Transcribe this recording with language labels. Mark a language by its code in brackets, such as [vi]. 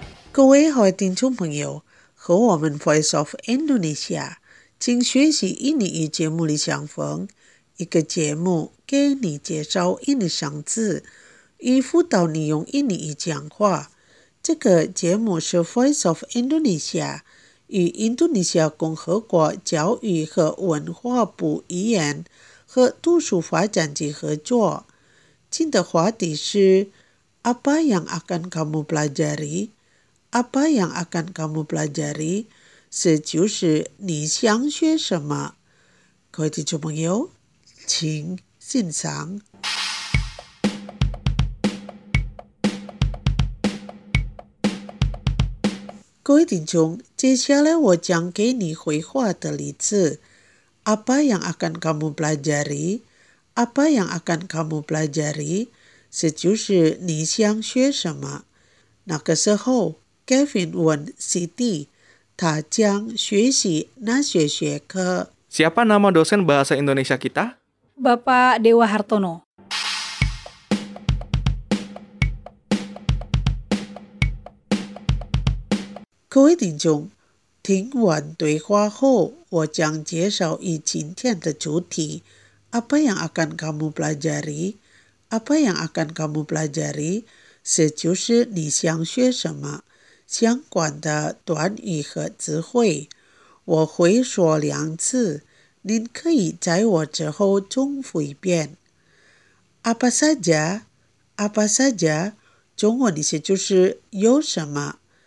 [zh] 各位好，听众朋友，和我们 Voice of Indonesia 请学习印尼语节目里相逢，一个节目给你介绍印尼生字，以辅导你用印尼语讲话。这个节目是 Voice of Indonesia。与印度尼西亚共和国教育和文化部语言和图书发展局合作。今的话题是 [id] Apa yang akan kamu pelajari? Apa yang akan kamu pelajari? [zh] 是就是你想学什么。各位听众朋友，请欣赏。各位听众，接下来我讲给你回话的例子。 [id] Apa yang akan kamu pelajari? Apa yang akan kamu pelajari? [zh] 是就是你想学什么。那个时候 ，Kevin 问 Siti， 他将学习哪些学科。 [id] Siapa nama dosen bahasa Indonesia kita? Bapak Dewa Hartono。 [zh] 各位听众，听完对话后，我将介绍以今天的主题。 [id] Apa yang akan kamu pelajari? Apa yang akan kamu pelajari? [zh] 是就是你想学什么？相关的短语和词汇，我会说两次，您可以在我之后重复一遍。 [id] Apa saja? Apa saja? [zh] 中文意思就是有什么。